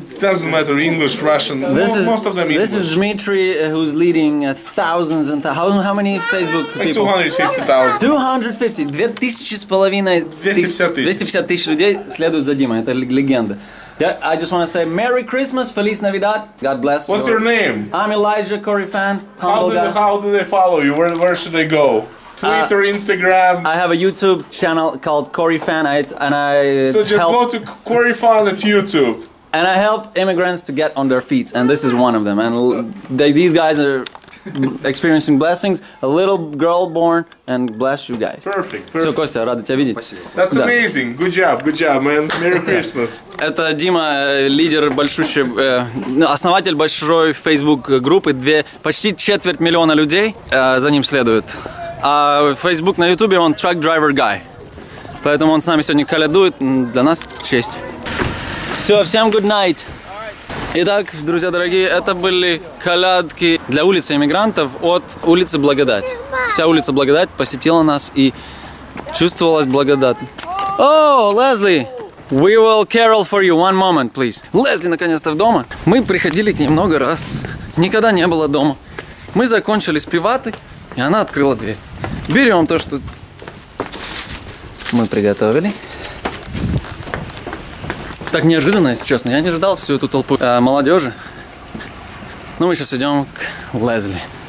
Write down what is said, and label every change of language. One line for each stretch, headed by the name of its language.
English: Doesn't matter, English, Russian. This is, most of them English. This is Dmitry who's leading thousands and thousands. How many Facebook people? 250,000. 250.
Russian: 250 тысяч людей следуют за Димой. Это легенда.
English: I just want to say Merry Christmas,
Spanish: Feliz Navidad,
English: God bless. What's your name? I'm Elijah Corey Fan. How do they follow you? Where should they go? Twitter, Instagram. I have a YouTube channel called Corey Fan, go to Corey Fan at YouTube. And I help immigrants to get on their feet, and this is one of them. And these guys are experiencing blessings. A little girl born, and bless you guys. Perfect.
Russian: Все, Костя, рада тебя видеть.
English: That's amazing. Good job, man. Merry Christmas.
Russian: Это Дима, лидер большущий, основатель большой Facebook группы. Почти четверть миллиона людей за ним следуют. А Facebook на YouTube он
English: truck driver guy.
Russian: Поэтому он с нами сегодня колядует. Для нас честь. Все, всем
English: good night.
Russian: Итак, друзья дорогие, это были колядки для улицы иммигрантов от улицы Благодать. Вся улица Благодать посетила нас и чувствовалась благодать. О, Лезли!
English: We will carol for you one moment, please.
Russian: Лезли наконец-то дома. Мы приходили к ней много раз. Никогда не было дома. Мы закончили с пиватой, и она открыла дверь. Берем то, что мы приготовили. Так неожиданно, если честно. Я не ждал всю эту толпу молодежи. Ну, мы сейчас идем к Лезли.